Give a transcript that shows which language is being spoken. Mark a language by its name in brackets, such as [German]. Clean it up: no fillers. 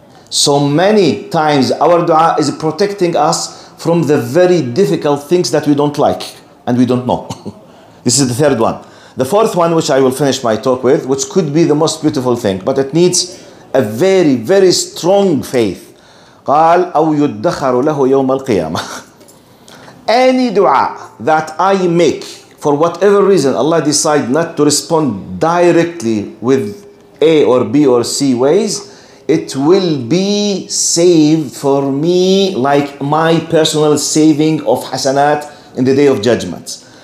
[English] So many times, our dua is protecting us from the very difficult things that we don't like and we don't know. This is the third one. The fourth one, which I will finish my talk with, which could be the most beautiful thing, but it needs a very, very strong faith. [Arabic] قال أو يدخر له يوم القيامة. [English] Any dua that I make, for whatever reason, Allah decide not to respond directly with A or B or C ways, it will be saved for me like my personal saving of hasanat in the day of judgment.